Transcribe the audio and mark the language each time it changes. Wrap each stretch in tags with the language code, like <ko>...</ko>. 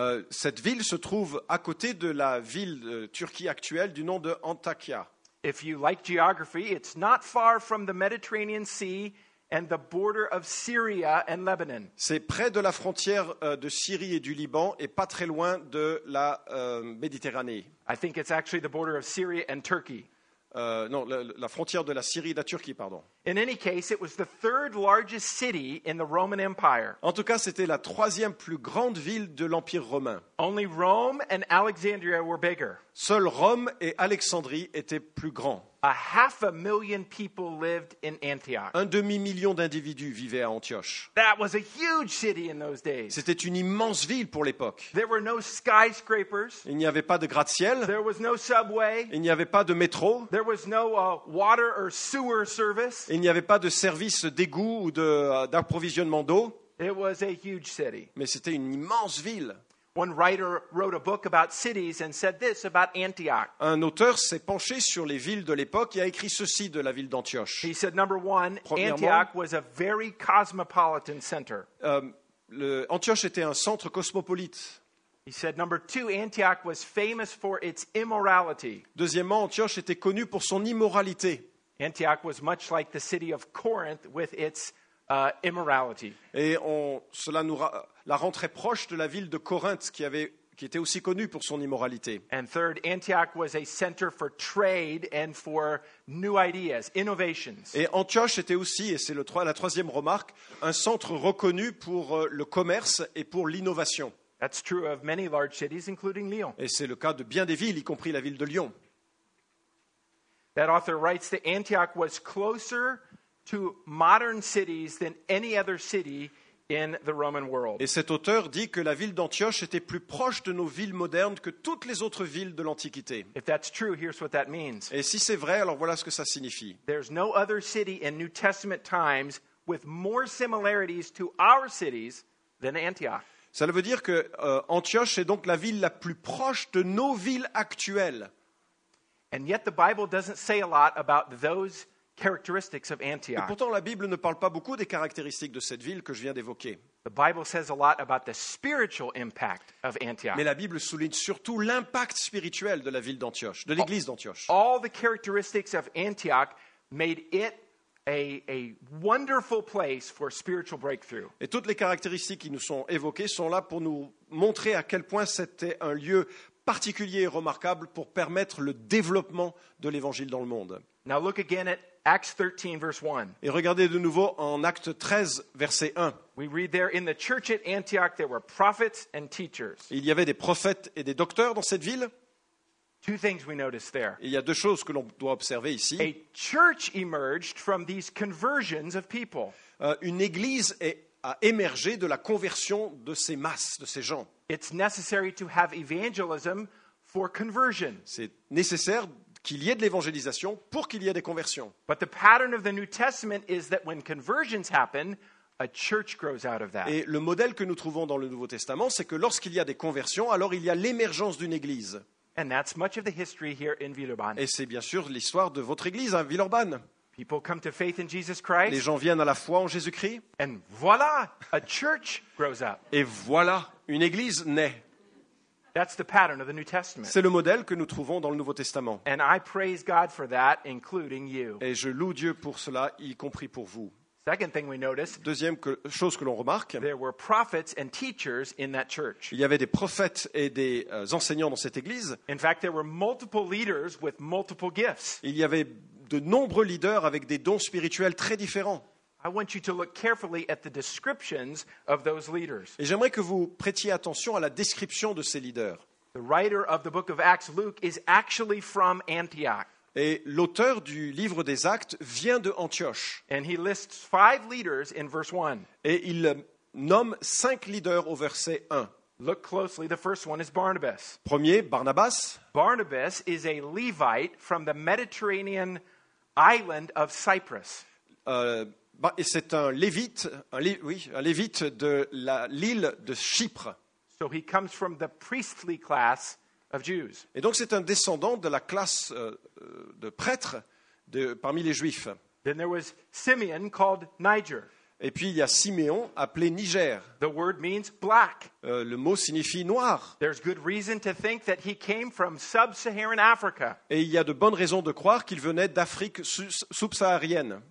<fr>Cette ville se trouve à côté de la ville de Turquie actuelle du nom de Antakya.</fr> <en>If you like geography, it's not far from the Mediterranean Sea and the border of Syria and Lebanon.</en> <fr>C'est près de la frontière de Syrie et du Liban et pas très loin de la Méditerranée.</fr> <en>I think it's actually the border of Syria and Turkey.</en> <fr>La frontière de la Syrie et de la Turquie, pardon.</fr> <en>In any case, it was the third largest city in the Roman Empire.</en> <fr>En tout cas, c'était la troisième plus grande ville de l'Empire romain.</fr> <en>Only Rome and Alexandria were bigger.</en> <fr>Seule Rome et Alexandrie étaient plus grands.</fr> <en>A half a million people lived in Antioch.</en> <fr>Un demi-million d'individus vivaient à Antioche.</fr> <en>That was a huge city in those days.</en> <fr>C'était une immense ville pour l'époque.</fr> <en>There were no skyscrapers.</en> <fr>Il n'y avait pas de gratte-ciel.</fr> <en>There was no subway.</en> <fr>Il n'y avait pas de métro.</fr> <en>There was no water or sewer service.</en> <fr>Il n'y avait pas de service d'égout ou d'approvisionnement d'eau.</fr> <en>It was a huge city.</en> <fr>Mais c'était une immense ville.</fr> <en>One writer wrote a book about cities and said this about Antioch.</en> <fr>Un auteur s'est penché sur les villes de l'époque et a écrit ceci de la ville d'Antioche.</fr> <en>He said, number one, Antioch was a very cosmopolitan center.</en> <fr>Antioche était un centre cosmopolite.</fr> <en>He said, number two, Antioch was famous for its immorality.</en> <fr>Deuxièmement, Antioche était connu pour son immoralité.</fr> <en>Antioch was much like the city of Corinth with its immorality.</en> <fr>Et la rentrée proche de la ville de Corinthe qui était aussi connue pour son immoralité.</fr> <en>And third, Antioch was a center for trade and for new ideas, innovations.</en> <fr>Et Antioche était aussi, et c'est la troisième remarque, un centre reconnu pour le commerce et pour l'innovation.</fr> <en>That's true of many large cities, including Lyon.</en> <fr>Et c'est le cas de bien des villes, y compris la ville de Lyon.</fr> <en>That author writes that Antioch was closer to modern cities than any other city in the Roman world.</en> <fr>Et cet auteur dit que la ville d'Antioche était plus proche de nos villes modernes que toutes les autres villes de l'Antiquité.</fr> <en>If that's true, here's what that means.</en> <fr>Et si c'est vrai, alors voilà ce que ça signifie.</fr> <en>There's no other city in New Testament times with more similarities to our cities than Antioch.</en> <fr>Ça veut dire que Antioche est donc la ville la plus proche de nos villes actuelles.</fr> <en>And yet the Bible doesn't say a lot about those characteristics of Antioch.</en> <fr>Et pourtant, la Bible ne parle pas beaucoup des caractéristiques de cette ville que je viens d'évoquer.</fr> <en>The Bible says a lot about the spiritual impact of Antioch.</en> <fr>Mais la Bible souligne surtout l'impact spirituel de la ville d'Antioche, de l'église d'Antioche.</fr> <en>All the characteristics of Antioch made it a wonderful place for spiritual breakthrough.</en> <fr>Et toutes les caractéristiques qui nous sont évoquées sont là pour nous montrer à quel point c'était un lieu particulier et remarquable pour permettre le développement de l'évangile dans le monde.</fr> <en>Now look again at Acts 13, verse 1.</en> <fr>Et regardez de nouveau en Acte 13, verset 1.</fr> <en>We read there, in the church at Antioch, there were prophets and teachers.</en> <fr>Il y avait des prophètes et des docteurs dans cette ville.</fr> <en>Two things we notice there.</en> <fr>Il y a deux choses que l'on doit observer ici.</fr> <en>A church emerged from these conversions of people.</en> <fr>Une église a émergé de la conversion de ces masses, de ces gens.</fr> <en>It's necessary to have evangelism for conversion.</en> <fr>C'est nécessaire qu'il y ait de l'évangélisation pour qu'il y ait des conversions.</fr> <en>But the pattern of the New Testament is that when conversions happen, a church grows out of that.</en> <fr>Et le modèle que nous trouvons dans le Nouveau Testament, c'est que lorsqu'il y a des conversions, alors il y a l'émergence d'une église.</fr> <en>And that's much of the history here in Villeurbanne.</en> <fr>Et c'est bien sûr l'histoire de votre église, hein, Villeurbanne.</fr> <en>People come to faith in Jesus Christ.</en> <fr>Les gens viennent à la foi en Jésus-Christ.</fr> <en>And voilà, a church grows up.</en> <fr>Et voilà, une église naît.</fr> <en>That's the pattern of the New Testament.</en> <fr>C'est le modèle que nous trouvons dans le Nouveau Testament.</fr> <en>And I praise God for that, including you.</en> <fr>Et je loue Dieu pour cela, y compris pour vous.</fr> <en>Second thing we notice.</en> <fr>Deuxième chose que l'on remarque.</fr> <en>There were prophets and teachers in that church.</en> <fr>Il y avait des prophètes et des enseignants dans cette église.</fr> <en>In fact, there were multiple leaders with multiple gifts.</en> <fr>Il y avait de nombreux leaders avec des dons spirituels très différents.</fr> <en>I want you to look carefully at the descriptions of those leaders.</en> <fr>Et j'aimerais que vous prêtiez attention à la description de ces leaders.</fr> <en>The writer of the book of Acts, Luke, is actually from Antioch.</en> <fr>Et l'auteur du livre des Actes vient de Antioche.</fr> <en>And he lists five leaders in verse 1.</en> <fr>Et il nomme cinq leaders au verset 1.</fr> <en>Look closely. The first one is Barnabas.</en> <fr>Premier, Barnabas.</fr> <en>Barnabas is a Levite from the Mediterranean island of Cyprus.</en> <fr>C'est un Lévite de l'île de Chypre.</fr> <en>So he comes from the priestly class of Jews.</en> <fr>Et donc c'est un descendant de la classe de prêtres parmi les Juifs.</fr> <en>Then there was Simeon called Niger.</en> <fr>Et puis il y a Siméon appelé Niger.</fr> <en>The word means black.</en> <fr>Le mot signifie noir.</fr> <en>There's good reason to think that he came from sub-Saharan Africa.</en> <fr>Et il y a de bonnes raisons de croire qu'il venait d'Afrique subsaharienne.</fr>